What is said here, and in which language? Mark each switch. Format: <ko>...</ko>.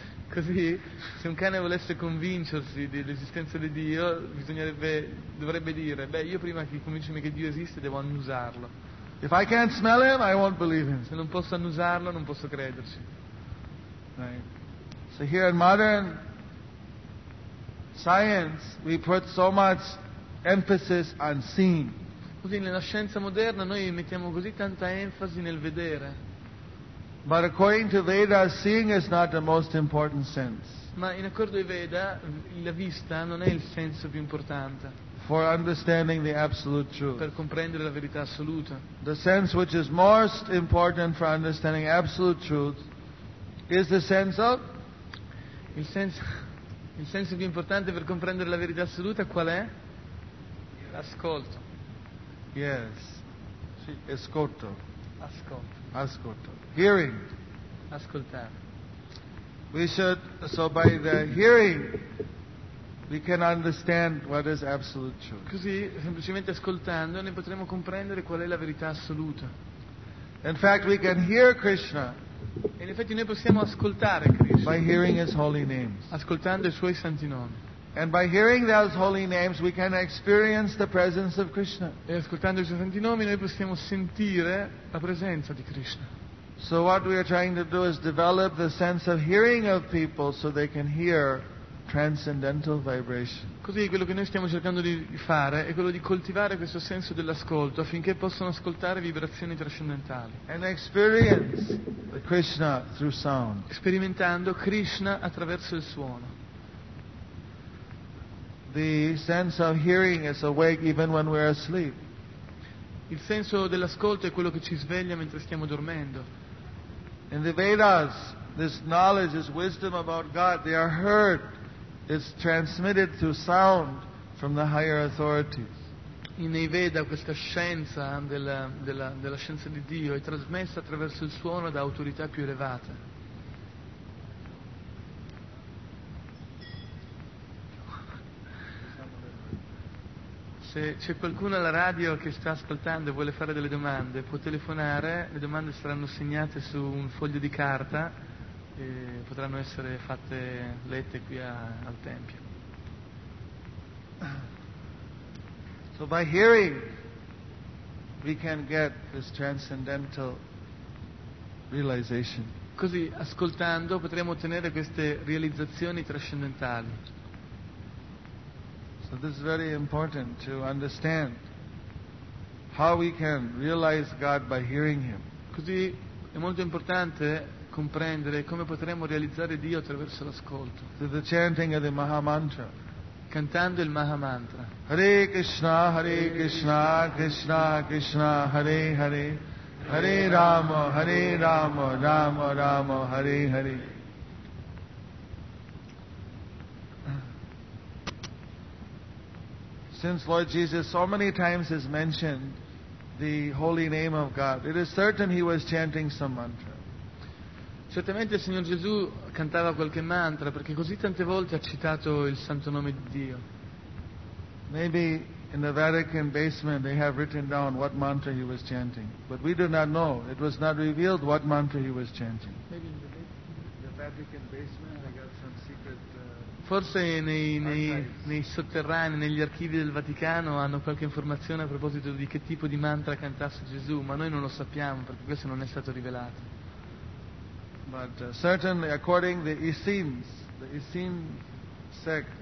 <it>Così, se un cane volesse convincersi dell'esistenza di Dio, dovrebbe dire, beh, io prima che convincimi che Dio esiste, devo annusarlo.</it> <en>If I can't smell him, I won't believe him.</en> <it>Se non posso annusarlo, non posso crederci.</it> <en>Right. So here in modern science, we put so much emphasis on seeing.</en> <it>Così nella scienza moderna noi mettiamo così tanta enfasi nel vedere.</it> <en>But according to Veda, seeing is not the most important sense.</en> <it>Ma in accordo ai Veda, la vista non è il senso più importante.</it> <en>For understanding the absolute truth.</en> <it>Per comprendere la verità assoluta.</it> <en>The sense which is most important for understanding absolute truth is the sense of.</en> <it>Il senso più importante per comprendere la verità assoluta qual è? L'ascolto.</it> <en>Yes.</en> <it>Sì. Ascolto. Ascolto. Ascolto.</it> <en>Hearing.</en> <it>Ascoltare.</it> <en>So by the hearing we can understand what is absolute truth.</en> <it>Così, semplicemente ascoltando, ne potremo comprendere qual è la verità assoluta.</it> <en>In fact, we can hear Krishna.</en> <it>In effetti noi possiamo ascoltare Krishna.</it> <en>By hearing his holy names.</en> <it>Ascoltando i suoi santi nomi.</it> <en>And by hearing those holy names we can experience the presence of Krishna.</en> <it>E ascoltando i suoi santi nomi noi possiamo sentire la presenza di Krishna.</it> <en>So what we are trying to do is develop the sense of hearing of people so they can hear transcendental vibration.</en> <it>Così quello che noi stiamo cercando di fare è quello di coltivare questo senso dell'ascolto affinché possano ascoltare vibrazioni trascendentali.</it> <en>And experience Krishna through sound.</en> <it>Sperimentando Krishna attraverso il suono.</it> <en>The sense of hearing is awake even when we are asleep.</en> <it>Il senso dell'ascolto è quello che ci sveglia mentre stiamo dormendo.</it> <en>In the Vedas, this knowledge, this wisdom about God, they are heard. It's transmitted through sound from the higher authorities.</en> <it>In i Veda questa scienza della scienza di Dio è trasmessa attraverso il suono da autorità più elevate. Se c'è qualcuno alla radio che sta ascoltando e vuole fare delle domande, può telefonare, le domande saranno segnate su un foglio di carta e potranno essere fatte lette qui al tempio.</it> <en>So by hearing we can get this transcendental realization.</en> <it>Così ascoltando potremo ottenere queste realizzazioni trascendentali.</it> <en>So this is very important to understand how we can realize God by hearing him.</en> <it>Così è molto importante comprendere come potremo realizzare Dio attraverso l'ascolto.</it> <en>The chanting of the Maha Mantra.</en> <it>cantando il Mahamantra.</it> <sa>Hare Krishna, Hare Krishna, Krishna Krishna, Hare Hare, Hare Rama, Hare Rama, Rama Rama, Hare Hare.</sa> <en>Since Lord Jesus so many times has mentioned the holy name of God, it is certain he was chanting some mantra.</en> <it>Certamente il Signor Gesù cantava qualche mantra, perché così tante volte ha citato il santo nome di Dio.</it> <en>Maybe in the Vatican basement they have written down what mantra he was chanting, but we do not know. It was not revealed what mantra he was chanting. Maybe in the Vatican basement they got some secret.</en> <it>Forse nei sotterranei, negli archivi del Vaticano hanno qualche informazione a proposito di che tipo di mantra cantasse Gesù, ma noi non lo sappiamo perché questo non è stato rivelato.</it> <en>But certainly according to the Essene sect,</en>